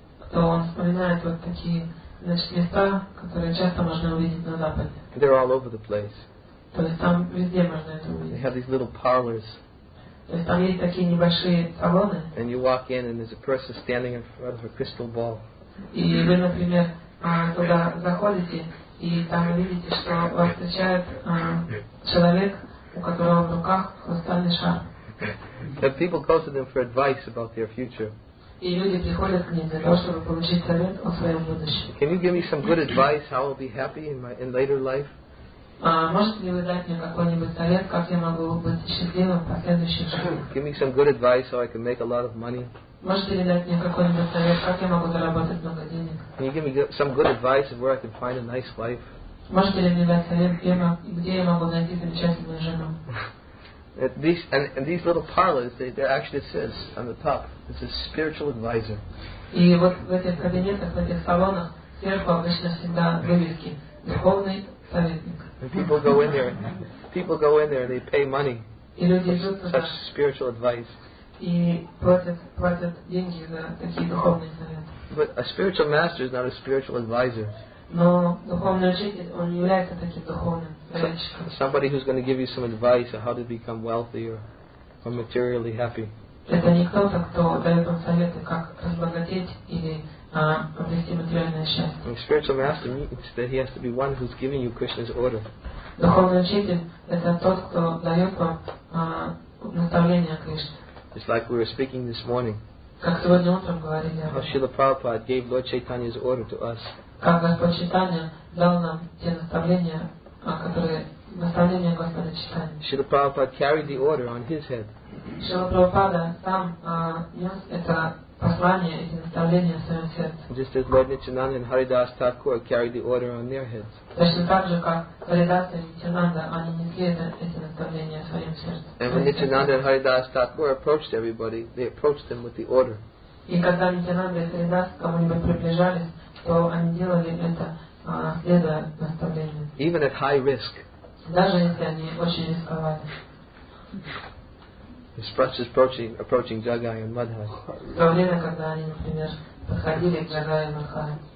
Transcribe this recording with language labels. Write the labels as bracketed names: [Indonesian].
[Russian] То он вспоминает вот такие, значит, места, которые часто можно увидеть на Западе. [English] They're all over the place. [Russian] То есть там везде можно это увидеть. [English] They have these little parlors. [Russian] То есть там есть такие небольшие салоны. [English] And you walk in and there's a person standing in front of a crystal ball. [Russian] И вы, например, туда заходите, и там видите, что вас встречает человек, у которого в руках хрустальный шар. [English] And people go to them for advice about their future. [Russian] И люди приходят к ним для того, чтобы получить совет о своем будущем. [English] Can you give me some good advice how I'll be happy in later life? [Russian] Можете ли вы дать мне какой-нибудь совет, как я могу быть счастливым в последующей жизни? [English] Give me some good advice so I can make a lot of money. [Russian] Можете ли дать мне какой-нибудь совет, как я могу заработать много денег? [English] Can you give me some good advice of where I can find a nice wife? [Russian] Можете ли мне дать совет, где я могу найти замечательную жену? [English] And these little parlors, they actually says on the top, it's a spiritual advisor. [Russian] И вот в этих кабинетах, в этих салонах, сверху обычно всегда вывески «Духовный советник». [English] And people go in there and they pay money. [Russian] И люди идут туда. [English] Such spiritual advice. [Russian] И платят деньги за такие духовные советы. [English] But a spiritual master is not a spiritual advisor. [Russian] Но духовный учитель, он не является таким духовным советчиком. [English] Somebody who's going to give you some advice on how to become wealthy or materially happy. [Russian] Это не кто-то, кто дает вам советы, как разбогатеть или обрести материальное счастье. [English] A spiritual master means that he has to be one who's giving you Krishna's order. [Russian] Духовный учитель, это тот, кто дает вам наставление Кришны. [English] It's like we were speaking this morning. [Russian] Как сегодня утром говорили. [English] How Srila Prabhupada gave Lord Chaitanya's order to us. [Russian] Как Господь Чайтанья дал нам те наставления, наставления Господа Чайтаньи. [English] Srila Prabhupada carried the order on his head. [Russian] Srila Prabhupada сам нес это послание, эти наставления в своем сердце. [English] Just as Lord Nityananda and Haridas Thakur carried the order on their heads. [Russian] Точно так же, как Харидаса и Нитянанда, они несли эти наставления в своем сердце. [English] And when Nityananda and Haridas Thakur approached everybody, they approached them with the order. [Russian] И когда Нитянанда и Харидас кому-нибудь приближались, то они делали это, следуя наставлению. [English] Even at high risk. [Russian] Даже если они очень рисковали. [English] approaching Jagai and Madhai.